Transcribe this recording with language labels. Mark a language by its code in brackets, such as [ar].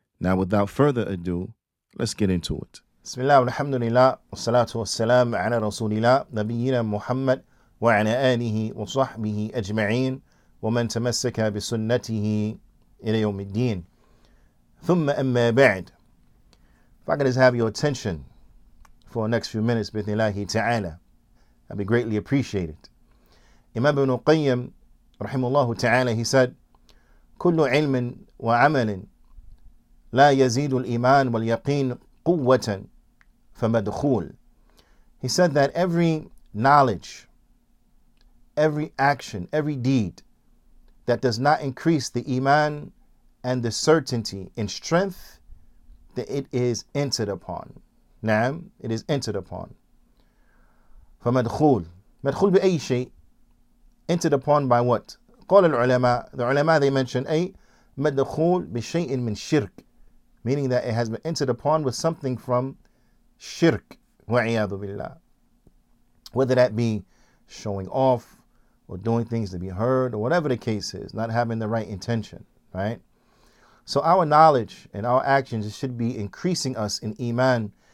[en] Now without further ado, let's get into it. [ar] بسم الله والحمد لله والصلاة والسلام على رسول الله نبينا محمد وعلى آله وصحبه أجمعين ومن تمسك بسنته إلى يوم الدين ثم أما بعد. [en] If I could just have your attention for the next few minutes, [ar] بإذن الله تعالى, [en] I'd be greatly appreciated. [ar] Imam ibn Qayyim, رحمه الله تعالى, [en] he said, [ar] كل علم وعمل لا يزيد الإيمان واليقين قوة فمدخول. [en] He said that every knowledge, every action, every deed that does not increase the Iman and the certainty in strength, that it is entered upon. Naam, it is entered upon. [ar] فمدخول. مدخول بأي شيء. [en] Entered upon by what? [ar] قال العلماء. [en] The ulama, they mention, [ar] أي مدخول بشيء من شرك. [en] Meaning that it has been entered upon with something from shirk. [ar] وعياذ بالله. [en] Whether that be showing off or doing things to be heard or whatever the case is, not having the right intention, right? So our knowledge and our actions should be increasing us in Iman.